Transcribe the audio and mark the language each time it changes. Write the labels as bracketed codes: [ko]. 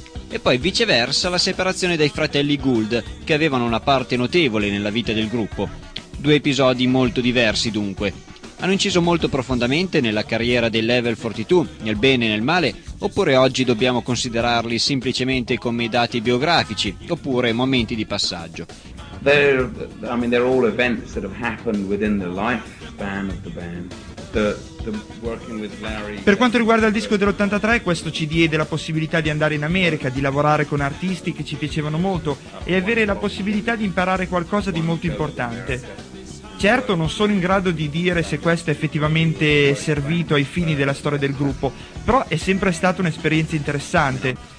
[it] E poi viceversa la separazione dei fratelli Gould, che avevano una parte notevole nella vita del gruppo. Due episodi molto diversi dunque. Hanno inciso molto profondamente nella carriera dei Level 42, nel bene e nel male, oppure oggi dobbiamo considerarli semplicemente come dati biografici, oppure momenti di passaggio? [en] They're all events that have happened within the lifespan of the band. [it] Per quanto riguarda il disco dell'83, questo ci diede la possibilità di andare in America, di lavorare con artisti che ci piacevano molto e avere la possibilità di imparare qualcosa di molto importante. Certo, non sono in grado di dire se questo è effettivamente servito ai fini della storia del gruppo, però è sempre stata un'esperienza interessante.